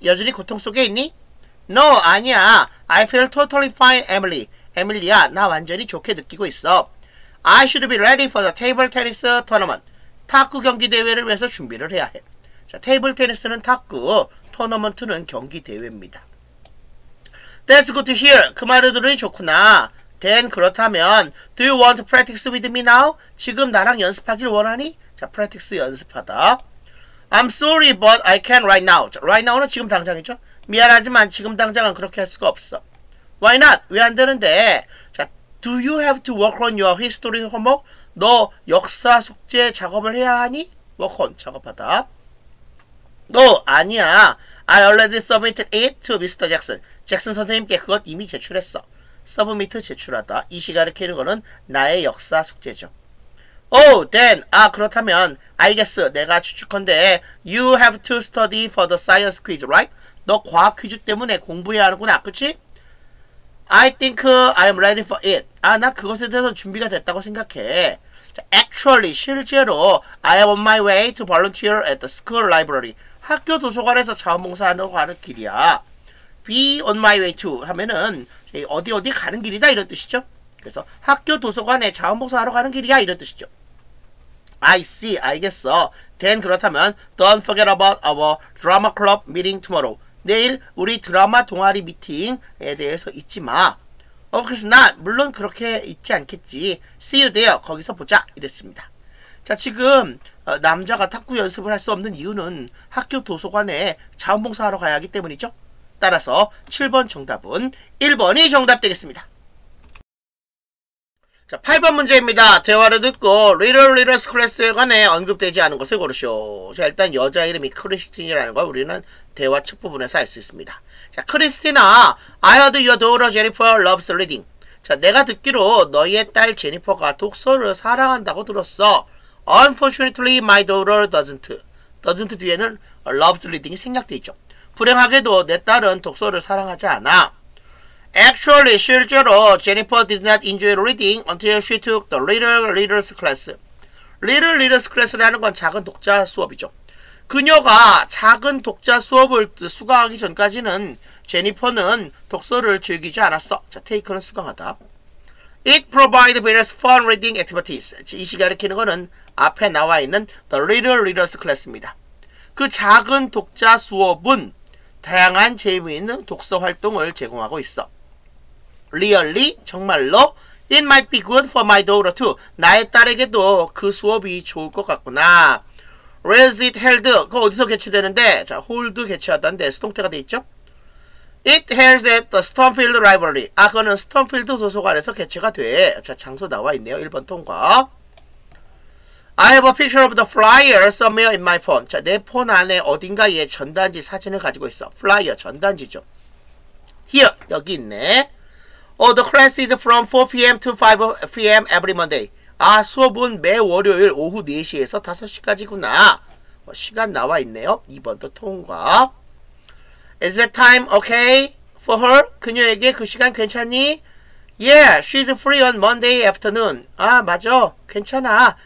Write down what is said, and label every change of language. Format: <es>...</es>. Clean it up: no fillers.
<ko>여전히 고통 속에 있니?</ko> <en>No,</en> <ko>아니야.</ko> <en>I feel totally fine, Emily.</en> <ko>에밀리야, 나 완전히 좋게 느끼고 있어.</ko> <en>I should be ready for the table tennis tournament.</en> <ko>탁구 경기 대회를 위해서 준비를 해야 해. 자, 테이블 테니스는 탁구, 토너먼트는 경기 대회입니다.</ko> <en>That's good to hear.</en> <ko>그 말을 들으니 좋구나.</ko> <en>Then,</en> <ko>그렇다면,</ko> <en>do you want to practice with me now?</en> <ko>지금 나랑 연습하길 원하니?</ko> <en>자, practice</en> <ko>연습하다.</ko> <en>I'm sorry, but I can't right now.</en> <ko>자, right now는 지금 당장이죠? 미안하지만 지금 당장은 그렇게 할 수가 없어.</ko> <en>Why not?</en> <ko>왜 안 되는데?</ko> <en>자, do you have to work on your history homework?</en> <ko>너 역사 숙제 작업을 해야 하니?</ko> <en>Work on,</en> <ko>작업하다.</ko> <en>No,</en> <ko>아니야.</ko> <en>I already submitted it to Mr. Jackson.</en> <ko>잭슨 선생님께 그것 이미 제출했어. 서브미트 제출하다. 이시 가르키는 거는 나의 역사 숙제죠.</ko> <en>Oh, then.</en> <ko>아, 그렇다면</ko> <en>I guess</en> <ko>내가 추측컨대</ko> <en>You have to study for the science quiz, right?</en> <ko>너 과학 퀴즈 때문에 공부해야 하는구나, 그치?</ko> <en>I think I'm ready for it.</en> <ko>아, 나 그것에 대해서 준비가 됐다고 생각해.</ko> <en>Actually,</en> <ko>실제로</ko> <en>I am on my way to volunteer at the school library.</en> <ko>학교 도서관에서 자원봉사하려고 하는 길이야.</ko> <en>Be on my way to</en> <ko>하면은 어디 어디 가는 길이다 이런 뜻이죠. 그래서 학교 도서관에 자원봉사하러 가는 길이야 이런 뜻이죠.</ko> <en>I see.</en> <ko>알겠어.</ko> <en>Then</en> <ko>그렇다면</ko> <en>Don't forget about our drama club meeting tomorrow.</en> <ko>내일 우리 드라마 동아리 미팅에 대해서 잊지 마.</ko> <en>Of course not.</en> <ko>물론 그렇게 잊지 않겠지.</ko> <en>See you there.</en> <ko>거기서 보자. 이랬습니다. 자, 지금 남자가 탁구 연습을 할 수 없는 이유는 학교 도서관에 자원봉사하러 가야 하기 때문이죠. 따라서 7번 정답은 1번이 정답 되겠습니다. 자, 8번 문제입니다. 대화를 듣고 Little Little Scratch에 관해 언급되지 않은 것을 고르시오. 자, 일단 여자 이름이 크리스틴이라는 걸 우리는 대화 첫 부분에서 알 수 있습니다. 자, 크리스티나,</ko> <en>I heard your daughter Jennifer loves reading.</en> <ko>자, 자, 내가 듣기로 너희의 딸 제니퍼가 독서를 사랑한다고 들었어.</ko> <en>Unfortunately, my daughter doesn't. doesn't</en> <ko>뒤에는</ko> <en>loves reading이</en> <ko>생략되어 있죠. 불행하게도 내 딸은 독서를 사랑하지 않아.</ko> <en>Actually,</en> <ko>실제로</ko> <en>제니퍼 did not enjoy reading until she took the Little Readers Class.</en> <ko>Little Readers Class라는 건 작은 독자 수업이죠. 그녀가 작은 독자 수업을 수강하기 전까지는 제니퍼는 독서를 즐기지 않았어.</ko> <en>자,</en> <ko>테이크는 수강하다.</ko> <en>It provides various fun reading activities.</en> <ko>이 시간을 키는 거는 앞에 나와 있는 The Little Readers Class입니다. 그 작은 독자 수업은 다양한 재미있는 독서 활동을 제공하고 있어.</ko> <en>Really?</en> <ko>정말로?</ko> <en>It might be good for my daughter too.</en> <ko>나의 딸에게도 그 수업이 좋을 것 같구나.</ko> <en>Where is it held?</en> <ko>그거 어디서 개최되는데?</ko> <en>자, hold</en> <ko>개최하다는데 수동태가 돼 있죠?</ko> <en>It held at the Stormfield Library.</en> <ko>아, 그거는 Stormfield 도서관에서 개최가 돼. 자, 장소 나와 있네요. 1번 통과.</ko> <en>I have a picture of the flyer somewhere in my phone.</en> <ko>자, 내 폰 안에 어딘가에 전단지 사진을 가지고 있어. Flyer, 전단지죠.</ko> <en>Here,</en> <ko>여기 있네.</ko> <en>Oh, the class is from 4pm to 5pm every Monday.</en> <ko>아, 수업은 매 월요일 오후 4시에서 5시까지구나. 시간 나와 있네요. 2번도 통과.</ko> <en>Is that time okay for her?</en> <ko>그녀에게 그 시간 괜찮니?</ko> <en>Yeah, she's free on Monday afternoon.</en> <ko>아, 맞아. 괜찮아.</ko>